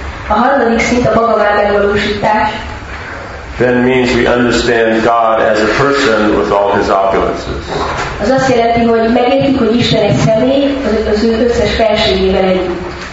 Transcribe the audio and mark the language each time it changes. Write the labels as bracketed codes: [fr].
[hu] A harmadik szint a Bhagavan megvalósítás. [en] Then means we understand God as a person with all his opulences. [hu] Az azt jelenti, hogy megértjük, hogy Isten egy személy, az ő összes felségével együtt.